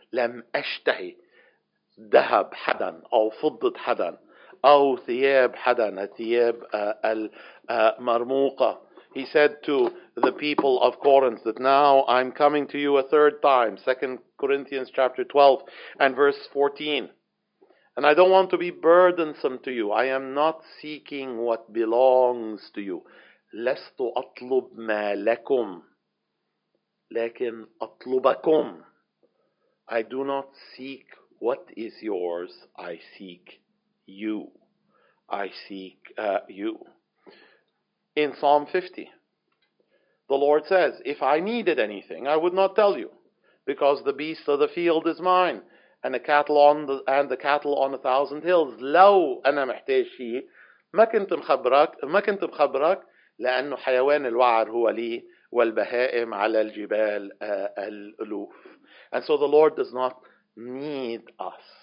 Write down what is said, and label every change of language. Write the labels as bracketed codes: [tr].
[ar] لم أشتهي ذهب حدا أو فضة حدا أو ثياب حدا الثياب المرموقة. [en] He said to the people of Corinth that now I'm coming to you a third time. 2 Corinthians chapter 12 and verse 14. And I don't want to be burdensome to you. I am not seeking what belongs to you. [ar] لست أطلب ما لكم لكن أطلبكم. [en] I do not seek what is yours, I seek you. In Psalm 50, the Lord says, if I needed anything, I would not tell you, because the beast of the field is mine, and the cattle on the cattle on a thousand hills. [ar] لو أنا محتاج شيء ما كنت مخبرك لأنه حيوان الوعر هو لي والبهائم على الجبال الألوف. [en] And so the Lord does not need us.